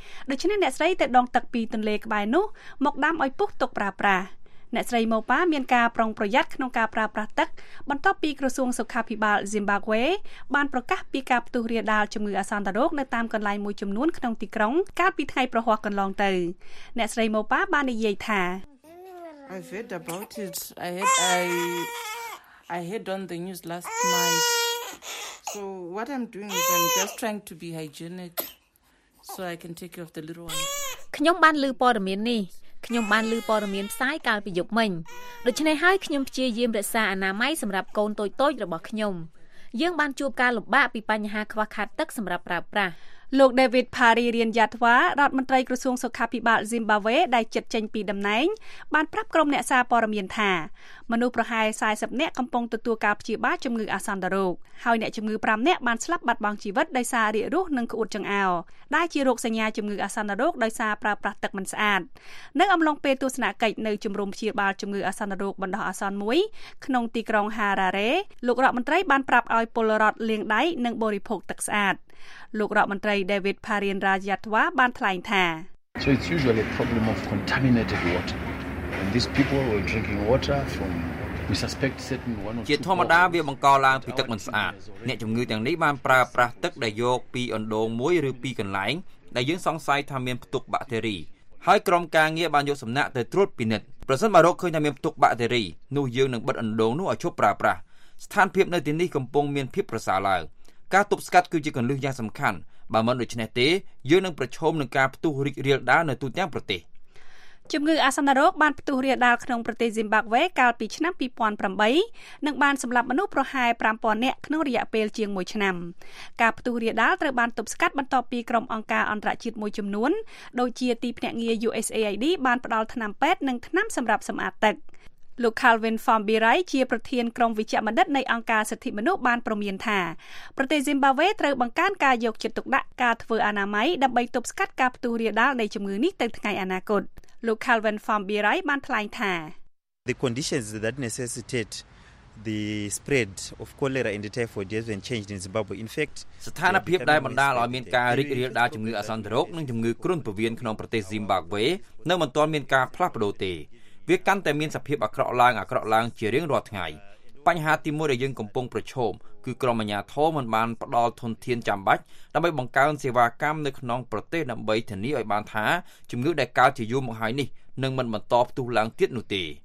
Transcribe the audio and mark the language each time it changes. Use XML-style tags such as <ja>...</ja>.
<km>ដូច្នេះអ្នកស្រីទៅដងទឹកពីទន្លេក្បែរនោះមកដាំឲ្យពុះទុកប្រើប្រាស់អ្នកស្រីម៉ូប៉ាមានការប្រុងប្រយ័ត្នក្នុងការប្រើប្រាស់ទឹកបន្ទាប់ពីក្រសួងសុខាភិបាលស៊ីមបាវ៉េបានប្រកាសពីការផ្ទុះរាលដាលជំងឺអាសន្នរោគនៅតាមកន្លែងមួយចំនួនក្នុងទីក្រុងកាលពីថ្ងៃប្រហ័សកន្លងទៅអ្នកស្រីម៉ូប៉ាបាននិយាយថា</km> <en>I heard on the news last night so what I'm doing is I'm just trying to be hygienic so I can take care of the little one</en> <km>ខ្ញុំបានឮព័ត៌មាននេះខ្ញុំបានលើព័ត៌មានផ្សាយកាលពីយប់មិញដូច្នេះហើយខ្ញុំព្យាយាមរក្សាអនាម័យសម្រាប់កូនតូចៗរបស់ខ្ញុំ យើងបានជួបការលំបាកពីបញ្ហាខ្វះខាតទឹកសម្រាប់ប្រើប្រាស់ លោក David Parry រៀនយ៉ាត់វ៉ារដ្ឋមន្ត្រីក្រសួងសុខាភិបាល Zimbabwe ដែលជិតចេញពីដំណែងបានប្រាប់ក្រុមអ្នកសារព័ត៌មានថាមនុស្សប្រហែល40នាក់កំពុងទទួលការព្យាបាលជំងឺអាសន្នរោគហើយអ្នកជំងឺ5នាក់បានស្លាប់បាត់បង់ជីវិតដោយសាររាករូសនិងក្អួតចង្អោរដែលជារោគសញ្ញាជំងឺអាសន្នរោគដោយសារប្រើប្រាស់ទឹកមិនស្អាត នៅអំឡុងពេលទស្សនកិច្ចនៅជំរំព្យាបាលជំងឺអាសន្នរោគបណ្ដោះអាសន្នមួយក្នុងទីក្រុង Harare លោករដ្ឋមន្ត្រីបានប្រាប់ឲ្យពលរដ្ឋលាងដៃនិងបរិភោគទឹកស្អាតលោករដ្ឋមន្ត្រី David Parian Rajatwa បានថ្លែងថា</km> <en>So it's usually a problem of contaminated water. And these people were drinking water from we suspect certain one of</en> <km>ជាធម្មតាវាបង្កឡើងពីទឹកមិនស្អាតអ្នកជំងឺទាំងនេះបានប្រើប្រាស់ទឹកដែលយកពីអណ្ដូងមួយឬពីកន្លែងដែលយើងសង្ស័យថាមានផ្ទុកបាក់តេរីហើយក្រុមការងារបានយកសំណាក់ទៅត្រួតពិនិត្យប្រសិនបើរកឃើញថាមានផ្ទុកបាក់តេរីនោះយើងនឹងបិទអណ្ដូងនោះឲ្យឈប់ប្រើប្រាស់ស្ថានភាពនៅទីនេះកំពុងមានភាពប្រសើរឡើងការទប់ស្កាត់គឺជាគន្លឹះយ៉ាងសំខាន់បើមិនដូច្នេះទេយើងនឹងប្រឈមនឹងការផ្ទុះរីករាលដាលនៅទូទាំងប្រទេស ជំងឺអាសន្នរោគបានផ្ទុះរីករាលដាលក្នុងប្រទេស Zimbabwe កាលពីឆ្នាំ2008និងបានសម្លាប់មនុស្សប្រហែល 5,000 នាក់ក្នុងរយៈពេលជាង1ឆ្នាំការផ្ទុះរីករាលដាលត្រូវបានទប់ស្កាត់បន្ទាប់ពីក្រុមអង្គការអន្តរជាតិមួយចំនួនដូចជាទីភ្នាក់ងារ USAID បានផ្តល់ថ្នាំពេទ្យនិងថ្នាំសម្រាប់សម្អាតទឹក លោក Calvin Fambirai ជាប្រធានក្រុមវិជ្ជបណ្ឌិតនៃអង្គការសិទ្ធិមនុស្សបានប្រមាណថាប្រទេស Zimbabwe ត្រូវបង្កើនការយកចិត្តទុកដាក់ការធ្វើអនាម័យដើម្បីទប់ស្កាត់ការផ្ទុះរីករាលដាលនៃជំងឺនេះទៅថ្ងៃអនាគតលោក Calvin Fambirai បានថ្លែងថា</km> <en>The conditions that necessitate the spread of cholera and typhoid disease when changed in Zimbabwe in fact</en> <km>ស្ថានភាពដែលបណ្ដាលឲ្យមានការរីករាលដាលជំងឺអាសន្នរោគនិងជំងឺគ្រុនពោះវៀនក្នុងប្រទេស Zimbabwe នៅមិនទាន់មានការផ្លាស់ប្ដូរទេវាកាន់តែមានសភាពអាក្រក់ឡើងអាក្រក់ឡើងជារៀងរាល់ថ្ងៃបញ្ហាទីមួយដែលយើងកំពុងប្រឈមគឺក្រុមអាជ្ញាធរមិនបានផ្តល់ធនធានចាំបាច់ដើម្បីបង្កើនសេវាកម្មនៅក្នុងប្រទេសដើម្បីធានាឲ្យបានថាជំងឺដែលកើតជាយូរមកហើយនេះនឹងមិនបន្តផ្ទុះឡើងទៀតនោះទេ</km>